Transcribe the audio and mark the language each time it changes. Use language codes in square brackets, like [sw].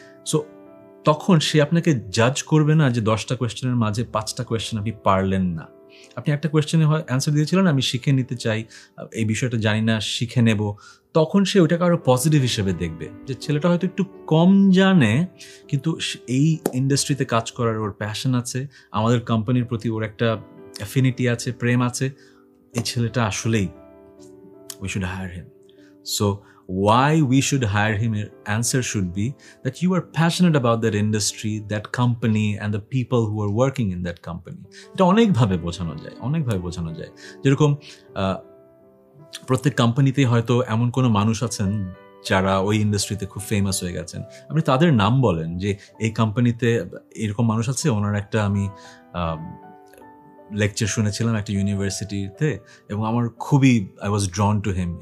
[bn] So তখন সে আপনাকে জাজ করবে না যে 10টা কোয়েশ্চেনের মাঝে 5টা কোয়েশ্চেন আপনি পারলেন না, আপনি একটা কোয়েশ্চেনে অ্যান্সার দিয়েছিলেন আমি শিখে নিতে চাই এই বিষয়টা জানি না শিখে নেব, তখন সে ওইটাকে আরও পজিটিভ হিসেবে দেখবে যে ছেলেটা হয়তো একটু কম জানে কিন্তু এই ইন্ডাস্ট্রিতে কাজ করার ওর প্যাশন আছে, আমাদের কোম্পানির প্রতি ওর একটা অ্যাফিনিটি আছে প্রেম আছে, এই ছেলেটা আসলেই [en] We should hire him. [bn] So [en] why we should hire him, your answer should be that you are passionate about that industry, that company, and the people who are working in that company. [bn] এটা অনেকভাবে বোঝানো যায়, অনেকভাবে বোঝানো যায়। যেরকম প্রত্যেক কোম্পানিতেই হয়তো এমন কোনো মানুষ আছেন যারা ওই ইন্ডাস্ট্রিতে খুব ফেমাস হয়ে গেছেন। আপনি তাদের নাম বলেন যে এই কোম্পানিতে এরকম মানুষ আছে, ওনার একটা আমি লেকচার শুনেছিলাম একটা ইউনিভার্সিটিতে এবং আমার খুবই [en] I was drawn to him.